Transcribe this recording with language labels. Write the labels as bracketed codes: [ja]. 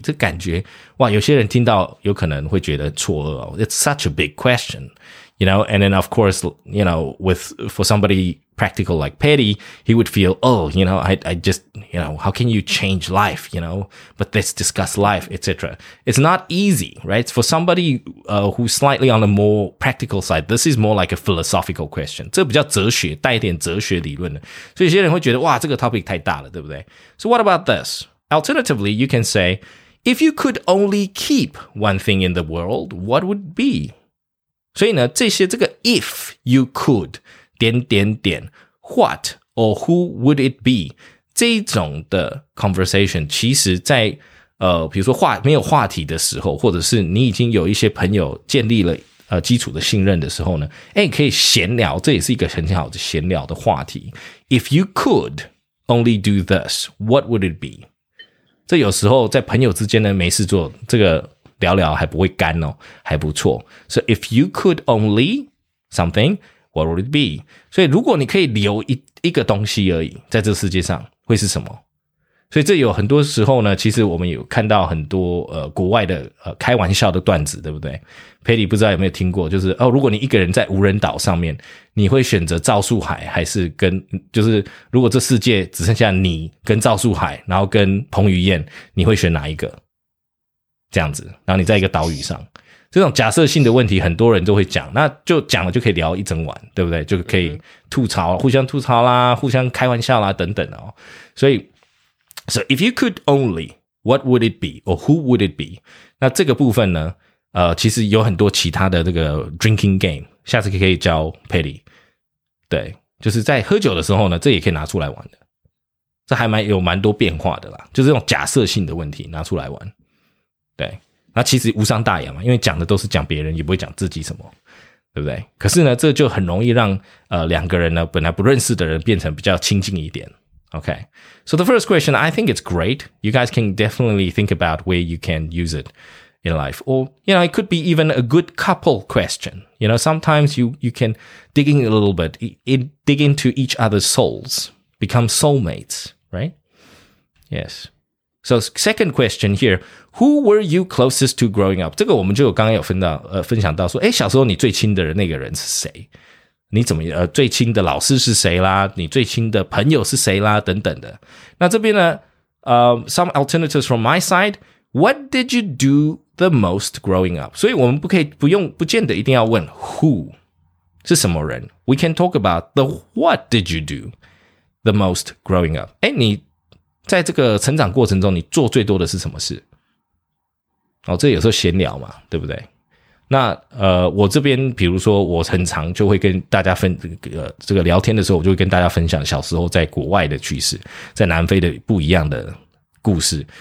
[zh] 这感觉哇，有些人听到有可能会觉得错愕哦， [en] it's such a big question, you know, and then of course, you know, with, for somebody,practical like Patty, he would feel, oh, you know, I just, you know, how can you change life, you know, but let's discuss life, etc. It's not easy, right? For somebody, who's slightly on the more practical side, this is more like a philosophical question. [zh] 这比较哲学，带一点哲学理论的。所以有些人会觉得，哇，这个 topic 太大了，对不对？ [en] So what about this? Alternatively, you can say, if you could only keep one thing in the world, what would be? [zh] 所以呢，这个 [en] if you could, [zh] 点点点 [en] ,what or who would it be? [zh] 这一种的 conversation, 其实在比如说没有话题的时候，或者是你已经有一些朋友建立了基础的信任的时候呢，诶，可以闲聊，这也是一个很好的闲聊的话题。 [en] If you could only do this, what would it be? [zh] 这有时候在朋友之间呢没事做，这个聊聊还不会干哦，还不错。 [en] So if you could only something,What would it be? [zh] 所以如果你可以留一个东西而已在这世界上会是什么，所以这有很多时候呢，其实我们有看到很多国外的开玩笑的段子，对不对？ Patty 不知道有没有听过，就是哦，如果你一个人在无人岛上面，你会选择赵树海还是跟，就是如果这世界只剩下你跟赵树海然后跟彭于晏，你会选哪一个，这样子，然后你在一个岛屿上，这种假设性的问题很多人都会讲，那就讲了就可以聊一整晚，对不对？就可以吐槽，互相吐槽啦，互相开玩笑啦等等哦。 [en] 所以 So if you could only, what would it be? Or who would it be? [zh] 那这个部分呢其实有很多其他的这个 drinking game, 下次可以教 Patty。对，就是在喝酒的时候呢，这也可以拿出来玩的。这还蛮多变化的啦，就是这种假设性的问题拿出来玩。对。那其实无伤大雅嘛，因为讲的都是讲别人，也不会讲自己什么，对不对？可是呢，这就很容易让两个人呢本来不认识的人变成比较亲近一点。 [en] Okay, so the first question, I think it's great. You guys can definitely think about where you can use it in life, or you know, it could be even a good couple question. You know, sometimes you can dig in a little bit, dig into each other's souls, become soulmates, right? Yes. So second question here, who were you closest to growing up? [zh] 这个我们就刚刚有分享到说，诶，小时候你最亲的那个人是谁？你怎么最亲的老师是谁啦？你最亲的朋友是谁啦？等等的。那这边呢 [en] some alternatives from my side, what did you do the most growing up? [zh] 所以我们不见得一定要问 who 是什么人。 [en] We can talk about the what did you do the most growing up? [zh] 诶，你在这个成长过程中你做最多的是什么事？哦，这有时候闲聊嘛，对不对？那我这边比如说我很常就会跟大家这个聊天的时候，我就会跟大家分享小时候在国外的趣事，在南非的不一样的故事。